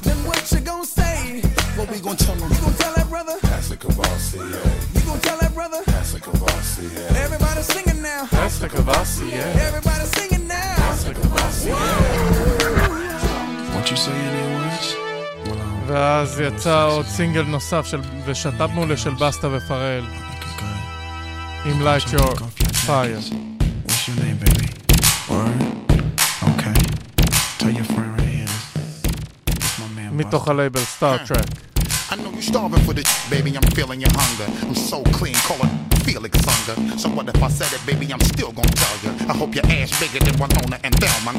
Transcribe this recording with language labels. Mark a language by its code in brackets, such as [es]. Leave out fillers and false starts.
[en] Then what you gonna say? What we gonna tell them? You gonna tell that brother? That's a Kavassi, yeah. You gonna tell that brother? That's a Kavassi, yeah. Everybody singing now. That's a Kavassi, yeah. Everybody singing now. That's a Kavassi, yeah. What you say in your words? Well, I don't know. [he] ואז יצא עוד סינגל נוסף של ושתף מעולה של בסטה ופרל עם Light Your Fire. [en] What's your name, baby? Okay. Tell your friend right here. [he] מתוך הלייבל Star Trek. [en] I know you're starving for this, baby, I'm feeling your hunger. I'm so clean, call it Felix Unger. So what if I said it, baby, I'm still gonna tell ya. I hope your ass bigger than Winona and Thelma.